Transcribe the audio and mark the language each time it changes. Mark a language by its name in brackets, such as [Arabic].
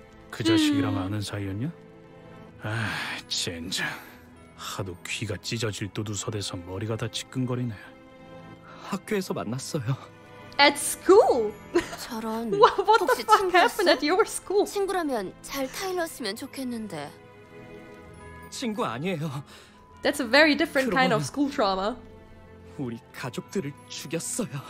[Korean] 그 자식이랑 아는 사이였냐? 아, 젠장. 하도 귀가 찢어질 두두서대서 머리가 다 찌끈거리네. 학교에서 만났어요. [English] At school? [Korean] 저런. [English] What the fuck happened at your school? [Korean] 친구라면 잘 타일러스면 좋겠는데. 친구 아니에요. [English] That's a very different kind of school trauma. [Korean] 우리 가족들을 죽였어요.